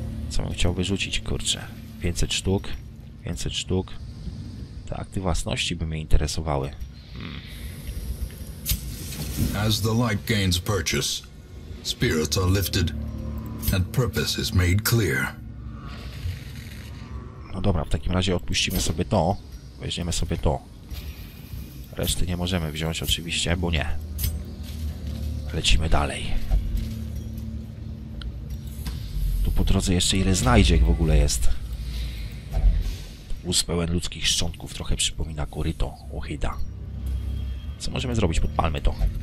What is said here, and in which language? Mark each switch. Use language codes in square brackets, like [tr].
[pl] Co bym chciał wyrzucić, kurczę. 500 sztuk, 500 sztuk. Te akty własności by mnie interesowały. [en] As the light gains purchase, spirits are lifted and purpose is made clear. [pl] No dobra, w takim razie odpuścimy sobie to. Weźmiemy sobie to. Reszty nie możemy wziąć oczywiście, bo nie. Lecimy dalej. Tu po drodze jeszcze ile znajdziek w ogóle jest. Łus pełen ludzkich szczątków trochę przypomina koryto Ohyda. Co możemy zrobić? Podpalmy to.